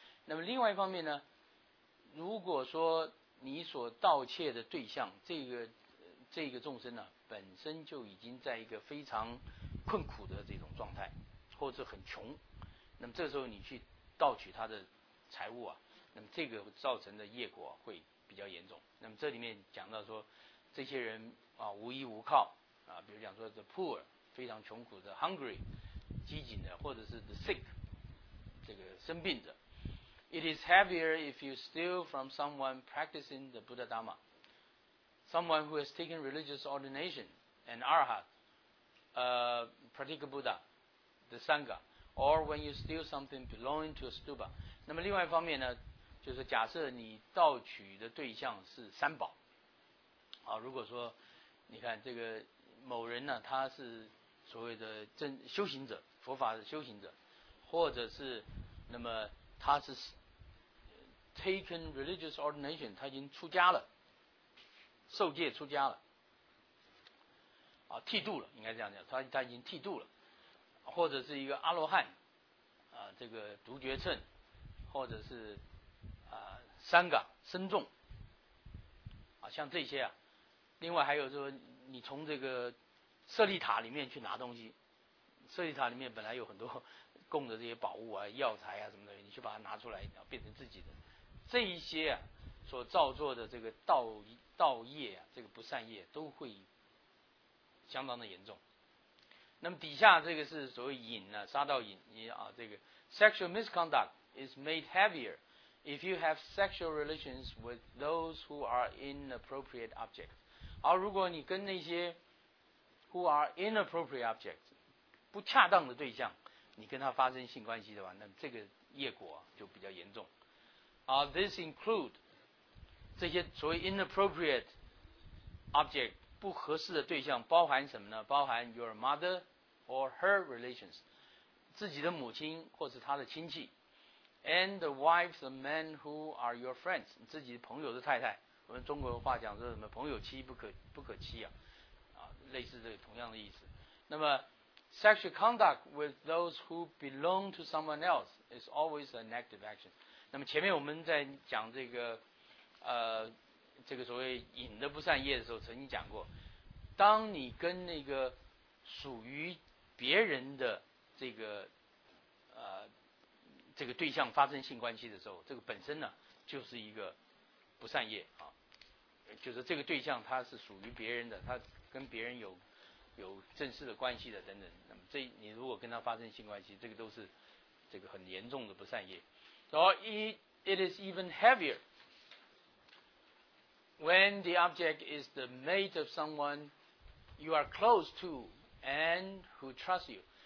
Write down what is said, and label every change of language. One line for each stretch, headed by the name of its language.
Chinese: 那么另外一方面呢，如果说你所盗窃的对象这个众生呢、啊、本身就已经在一个非常困苦的这种状态，或者很穷，那么这时候你去盗取他的财物啊，那么这个造成的业果会比较严重。那么这里面讲到说这些人啊无依无靠啊，比如讲说
English: the poor
Chinese: 非常穷苦的
English: hungry
Chinese: 饥馑的，或者是
English: the sick
Chinese: 这个生病的。
English: It is heavier if you steal from someone practicing the Buddha Dharma, someone who has taken religious ordination, an arhat, Pratika Buddha, the Sangha, or when you steal something belonging to a stupa.
Chinese: 那么另外一方面呢，就是假设你盗取的对象是三宝，啊，如果说你看这个某人呢，他是所谓的真修行者，佛法的修行者，或者是那么他是。
English: Taken religious ordination,
Chinese: 他已经出家了，受戒出家了，啊，剃度了，应该这样讲，他已经剃度了，或者是一个阿罗汉，啊，这个独觉乘，或者是啊，三噶僧众，啊，像这些啊，另外还有说，你从这个舍利塔里面去拿东西，舍利塔里面本来有很多供的这些宝物啊、药材啊什么的，你去把它拿出来，变成自己的。这一些、啊、所造作的这个盗业、啊、这个不善业都会相当的严重。那么底下这个是所谓瘾啊，杀盗瘾啊，这个
English: sexual misconduct is made heavier if you have sexual relations with those who are inappropriate objects.
Chinese: 而如果你跟那些
English: who are inappropriate objects
Chinese: 不恰当的对象，你跟他发生性关系的话，那这个业果、啊、就比较严重。
English: This include
Chinese: 这些所谓
English: inappropriate object
Chinese: 不合适的对象，包含什么呢？包含
English: your mother or her relations
Chinese: 自己的母亲或是他的亲戚，
English: and the wives of men who are your friends
Chinese: 自己朋友的太太。我们中国话讲说什么朋友妻不可欺 啊，类似这个同样的意思。
English: 那么 sexual conduct with those who belong to someone else is always a negative action。
Chinese: 那么前面我们在讲这个所谓瘾的不善业的时候，曾经讲过，当你跟那个属于别人的这个对象发生性关系的时候，这个本身呢就是一个不善业啊，就是这个对象他是属于别人的，他跟别人有正式的关系的等等，那么这你如果跟他发生性关系，这个都是这个很严重的不善业。
English: Or it is even heavier when the object is the mate of someone you are close to and who trusts you.